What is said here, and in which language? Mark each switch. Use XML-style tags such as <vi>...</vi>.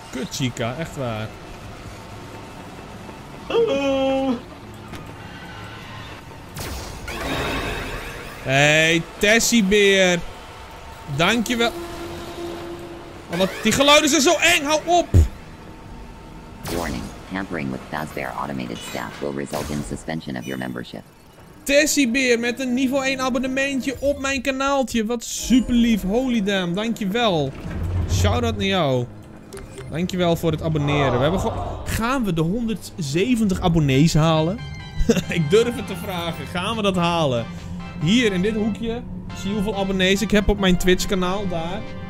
<nl>Chica, echt waar. Hallo. Hey, Tessiebeer. Dankjewel. Oh, wat, die geluiden zijn zo eng. Hou op.</nl> <en>Tampering with Fazbear automated staff will result in suspension of your membership.</en> <nl>Tessie Beer met een niveau 1 abonnementje op mijn kanaaltje. Wat super lief.</nl> <en>Holy damn.</en> <nl>Dankjewel. Shoutout naar jou. Dankjewel voor het abonneren. Gaan we de 170 abonnees halen? Ik durf het te vragen. Gaan we dat halen? Hier in dit hoekje zie je hoeveel abonnees ik heb op mijn Twitch kanaal daar.</nl>